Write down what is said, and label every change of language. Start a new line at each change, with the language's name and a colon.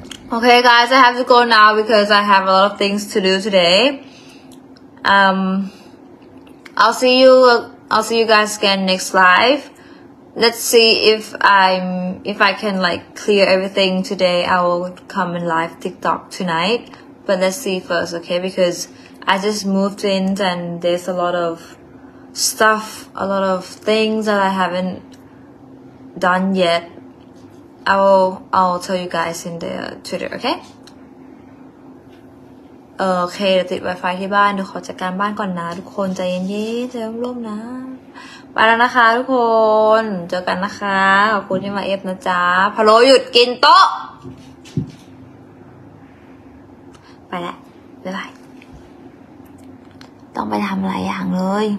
English: โอเค guys I have to go now because I have a lot of things to do today I'll see you guys again next live let's see if I can like clear everything today I will come in live TikTok tonight but let's see first okay becauseI just moved in and there's a lot of stuff, a lot of things that I haven't done yet. I'll tell you guys in the Twitter, okay?
Thai: Okay, ติด Wi-Fi ที่บ้านเดี๋ยวขอจัดการบ้านก่อนนะทุกคนใจเย็นๆใจร่มๆนะไปแล้วนะคะทุกคนเจอกันนะคะขอบคุณที่มาเอฟนะจ๊ะพะโล้หยุดกินโต๊ะไปละบ๊ายบายต้องไปทำหลายอย่างเลย